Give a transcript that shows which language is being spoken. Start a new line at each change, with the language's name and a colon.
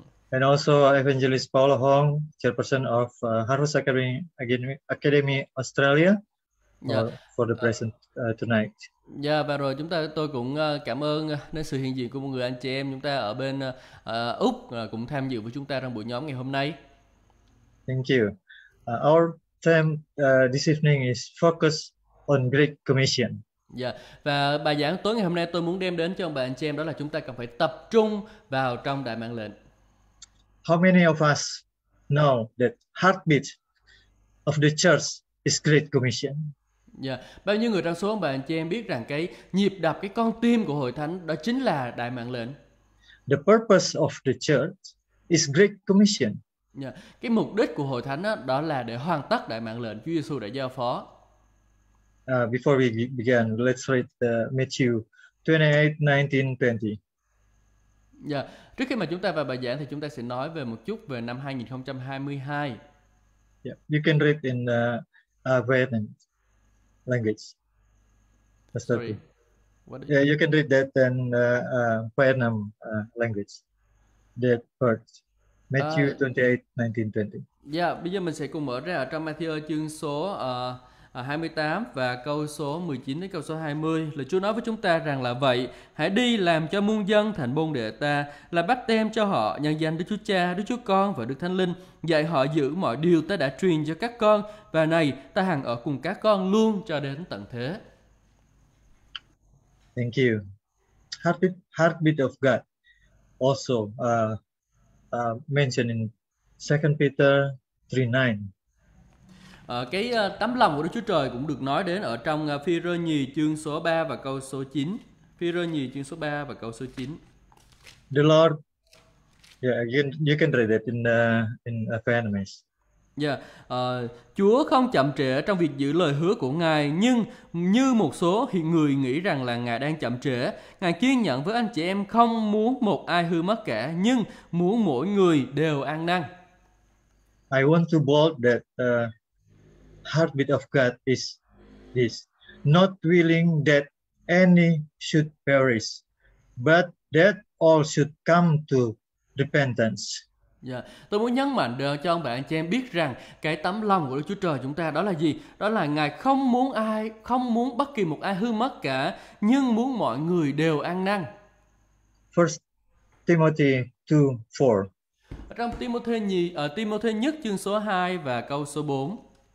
English: And also Evangelist Paul Hong, Chairperson of Harvest Academy Australia for the present tonight.
Vietnamese: Dạ, và rồi tôi cũng cảm ơn đến sự hiện diện của một người anh chị em chúng ta ở bên Úc cũng tham dự với chúng ta trong buổi nhóm ngày hôm nay.
English: Thank you. Our theme this evening is focus on Great Commission.
Vietnamese: Dạ, và bài giảng tối ngày hôm nay tôi muốn đem đến cho ông bà anh chị em đó là chúng ta cần phải tập trung vào trong đại mạng lệnh.
English: How many of us know that heartbeat of the church is Great Commission?
Vietnamese: Dạ, bao nhiêu người trong số ông bà anh chị em biết rằng cái nhịp đập, cái con tim của hội thánh đó chính là đại mạng lệnh?
English: The purpose of the church is Great Commission.
Vietnamese: Dạ, cái mục đích của hội thánh đó, đó là để hoàn tất đại mạng lệnh Chúa Giêsu đã giao phó.
English: Before we begin, let's read Matthew 28:19-20.
Vietnamese: Dạ, trước khi mà chúng ta vào bài giảng thì chúng ta sẽ nói về một chút về năm 2022.
English: Yeah, you can read in Arabic language. Sorry. Yeah, you can read that in Vietnam language. That part. Matthew 28:19-20.
Vietnamese: Dạ, bây giờ mình sẽ cùng mở ra ở trong Matthew chương số 28 và câu số 19 đến câu số 20. Lời Chúa nói với chúng ta rằng là vậy, hãy đi làm cho muôn dân thành môn đệ ta, là bắt tem cho họ nhân danh Đức Chúa Cha, Đức Chúa Con và Đức Thánh Linh, dạy họ giữ mọi điều ta đã truyền cho các con, và này ta hằng ở cùng các con luôn cho đến tận thế.
English: Thank you. Heartbeat of God also mentioned in 2 Peter 3:9.
Vietnamese: Cái tấm lòng của Đức Chúa Trời cũng được nói đến ở trong Phi-rơ nhì chương số 3 và câu số 9. Phi-rơ nhì chương số 3 và câu số 9.
English: The Lord, yeah, again, you can read that in Ephesians. Yeah.
Vietnamese: Chúa không chậm trễ trong việc giữ lời hứa của Ngài, nhưng như một số hiện người nghĩ rằng là Ngài đang chậm trễ, Ngài kiên nhẫn với anh chị em, không muốn một ai hư mất cả, nhưng muốn mỗi người đều ăn năn.
English: I want to bold that heartbeat of God is this, not willing that any should perish, but that all should come to repentance.
Vietnamese: Dạ, tôi muốn nhấn mạnh được cho ông bạn cho em biết rằng cái tấm lòng của Đức Chúa Trời chúng ta đó là gì? Đó là Ngài không muốn ai, không muốn bất kỳ một ai hư mất cả, nhưng muốn mọi người đều ăn năn.
English: 1 Timothy 2:4.
Vietnamese: Trong Timothy nhất chương số 2 và câu số 4.